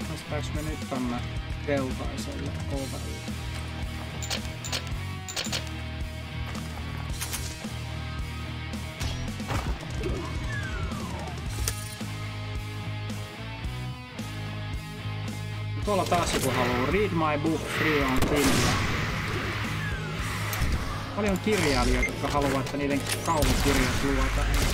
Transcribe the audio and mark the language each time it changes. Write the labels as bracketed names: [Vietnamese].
[Finnish] Päästäänkö me nyt tonne keltaiselle overille? Tuolla taas joku haluaa. [English] Read my book, free on Finland. [Finnish] Paljon kirjailijoita, jotka haluaa, että niiden kaunokirjat luetaan.